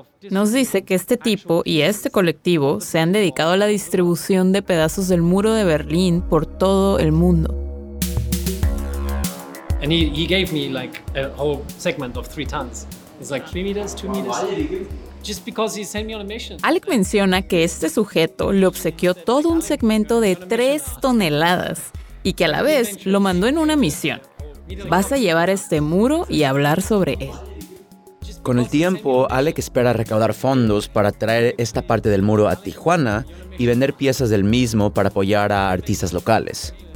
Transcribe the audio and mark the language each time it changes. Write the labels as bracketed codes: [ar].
[es] Nos dice que este tipo y este colectivo se han dedicado a la distribución de pedazos del muro de Berlín por todo el mundo. [en] And he gave me like a whole segment of 3 tons. It's like 3 meters, 2 meters. Just because he sent me on a mission. [es] Alec menciona que este sujeto le obsequió todo un segmento de 3 toneladas y que a la vez lo mandó en una misión. Vas a llevar este muro y hablar sobre él. Con el tiempo, Alec espera recaudar fondos para traer esta parte del muro a Tijuana y vender piezas del mismo para apoyar a artistas locales.